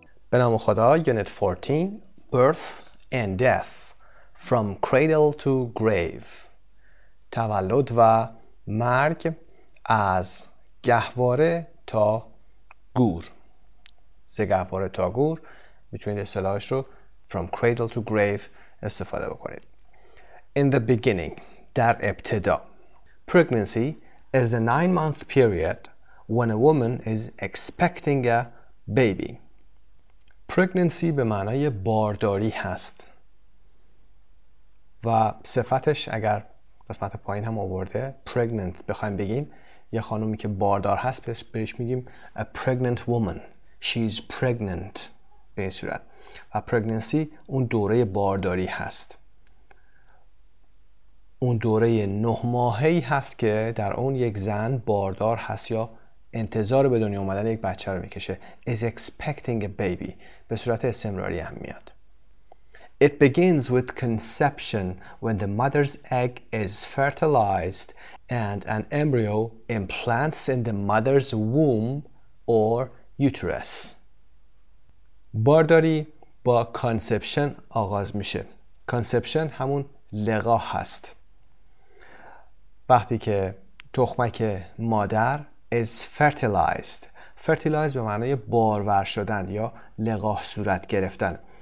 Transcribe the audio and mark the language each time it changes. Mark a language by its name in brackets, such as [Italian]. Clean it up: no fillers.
[Persian] به نام خدا. یونت 14 [English] Birth and Death From Cradle to Grave، [Persian] تولد و مرگ از گهواره تا گور. ز گهواره تا گور میتونید اصطلاحش رو [English] From Cradle to Grave [Persian] استفاده بکنید. [English] In the beginning، [Persian] در ابتدا. [English] Pregnancy is the 9-month period when a woman is expecting a baby. [Persian] Pregnancy به معنای بارداری هست و صفتش اگر قسمت پایین هم آورده pregnant بخوایم بگیم، یه خانومی که باردار هست بهش میگیم [English] a pregnant woman. She's pregnant [Persian] به این صورت. و pregnancy اون دوره بارداری هست، اون دوره 9 ماهه‌ای هست که در اون یک زن باردار هست یا انتظار به دنیا اومدن یک بچه رو میکشه. [English] is expecting a baby [Persian] به صورت استمراری هم میاد. [English] It begins with conception when the mother's egg is fertilized and an embryo implants in the mother's womb or uterus. [Persian] بارداری با conception آغاز میشه. conception همون لقا هست، وقتی که تخمک مادر [English] is fertilized. [Persian] fertilized به معنای بارور شدن یا لقاح صورت گرفتن.